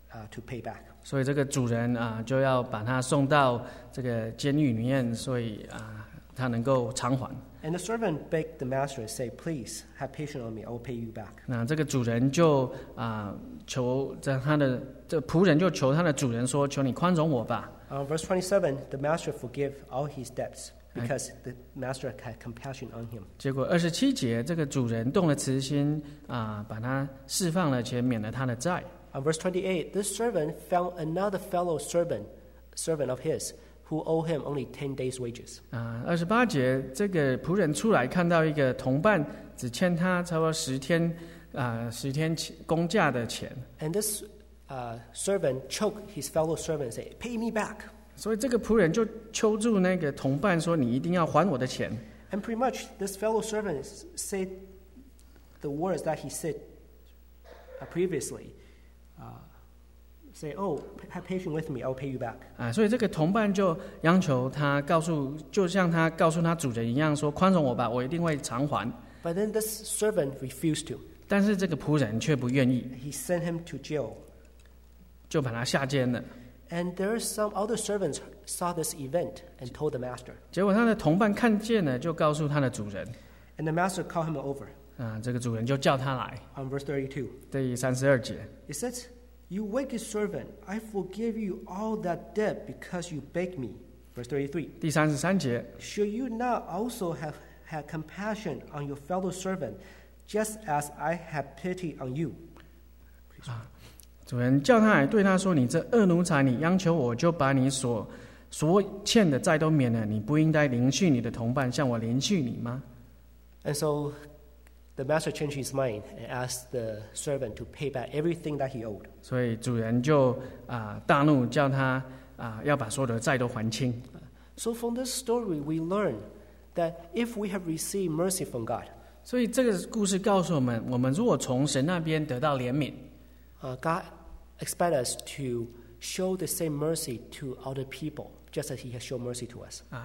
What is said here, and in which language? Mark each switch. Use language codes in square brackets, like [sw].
[en] To pay back. [zh] 所以这个主人就要把他送到这个监狱里面，所以他能够偿还。 [en] And the servant begged the master and said, "Please have patience on me. I will pay you back." [zh] 那这个主人就求他的这个、仆人就求他的主人说：“求你宽容我吧。 [en] ”Verse 27, the master forgave all his debts because the master had compassion on him. [zh] 结果二十七节，这个主人动了慈心把他释放了且免了他的债。 [en] Verse 28, this servant found another fellow servant of his who owed him only 10 days' wages. [zh] 28节，这个仆人出来看到一个同伴只欠他差不多10天工价的钱。 [en] And this servant choked his fellow servant and said, "Pay me back." [zh] 所以这个仆人就求助那个同伴说，你一定要还我的钱。 [en] And pretty much this fellow servant said the words that he said previously. Say, "Oh, have patience with me. I'll pay you back." [zh] 所以这个同伴就央求他告诉，就像他告诉他主人一样，说宽容我吧，我一定会偿还。 [en] But then this servant refused to. [zh] 但是这个仆人却不愿意。 [en] He sent him to jail. [zh] 就把他下监了。 [en] And there are some other servants saw this event and told the master. [zh] 结果他的同伴看见了，就告诉他的主人。 [en] And the master called him over. [zh] 这个主人就叫他来。 [en] On verse 32. [zh] 第三十二节。 [en] It says. You wicked servant, I forgive you all that debt because you begged me. Verse 33. [zh] 第三十三节。 [en] Should you not also have had compassion on your fellow servant, just as I have pity on you? [zh] 主人叫他来对他说，你这恶奴才，你央求我就把你所欠的债都免了，你不应该怜恤你的同伴，向我怜恤你吗？ [en] And so the master changed his mind and asked the servant to pay back everything that he owed. [zh] 所以主人就大怒，叫他要把所有的债都还清。 [en] So from this story, we learn that if we have received mercy from God, [zh] 所以这个故事告诉我们，我们如果从神那边得到怜悯， [en] God expects us to show the same mercy to other people, just as He has shown mercy to us.